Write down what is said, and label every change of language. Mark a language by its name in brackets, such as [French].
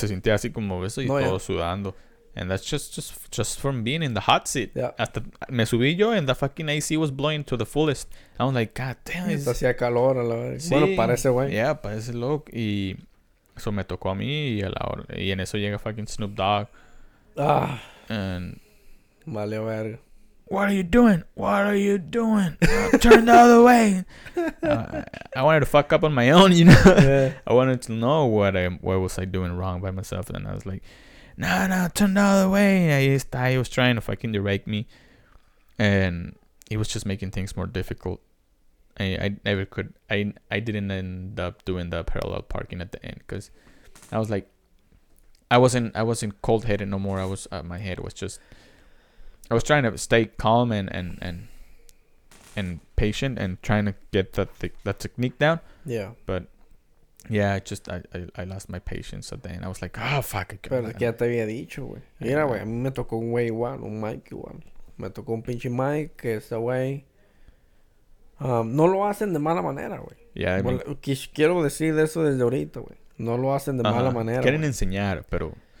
[Spanish] Se sentía así como eso y todo sudando. [English] And that's just from being in the hot seat. Yeah. [Spanish] Hasta me subí yo [English] and the fucking AC was blowing to the fullest. I was like, god damn. [Spanish] Esto hacía calor a la vez. Sí. Bueno, parece, güey. Yeah, parece loco. Y eso me tocó a mí y a la hora. Y en eso llega fucking Snoop Dogg. Ah. [English] And... [Spanish] Vale verga. [English] What are you doing? Turn the other way. I wanted to fuck up on my own, you know. Yeah. I wanted to know what was I doing wrong by myself, and I was like, no, turn the other way. He was trying to fucking direct me, and he was just making things more difficult. I didn't end up doing the parallel parking at the end because I was like, I wasn't cold headed no more. My head was just. I was trying to stay calm and and patient and trying to get that technique down. Yeah. But yeah, I lost my patience at the end. I was like, oh, fuck. [Spanish] Pero es que ya te había dicho, güey. Mira, güey, a mí me tocó un güey igual, un Mike igual. Me tocó un pinche Mike que ese güey no lo hacen de mala manera, güey. [English] Yeah, [Spanish] quiero decir eso desde ahorita, güey. No lo hacen de mala manera. Quieren enseñar, pero...